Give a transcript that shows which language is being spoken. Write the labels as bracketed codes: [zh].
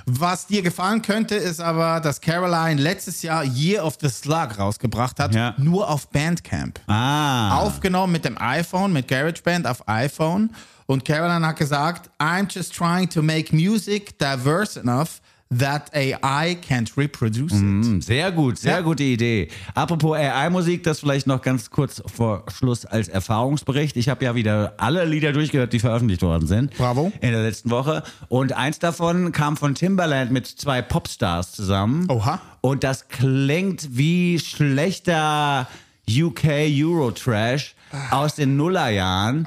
[de] Was dir gefallen könnte, ist aber, dass Caroline letztes Jahr Year of the Slug rausgebracht hat, nur auf Bandcamp. Ah. Aufgenommen mit dem iPhone, mit GarageBand auf iPhone. Und Caroline hat gesagt, [en] I'm just trying to make music diverse enough that AI can't reproduce it. [de] Sehr gut, sehr gute Idee. Apropos AI-Musik, das vielleicht noch ganz kurz vor Schluss als Erfahrungsbericht. Ich habe ja wieder alle Lieder durchgehört, die veröffentlicht worden sind. Bravo. In der letzten Woche. Und eins davon kam von Timbaland mit zwei Popstars zusammen. Oha. Und das klingt wie schlechter UK Eurotrash aus den Nullerjahren.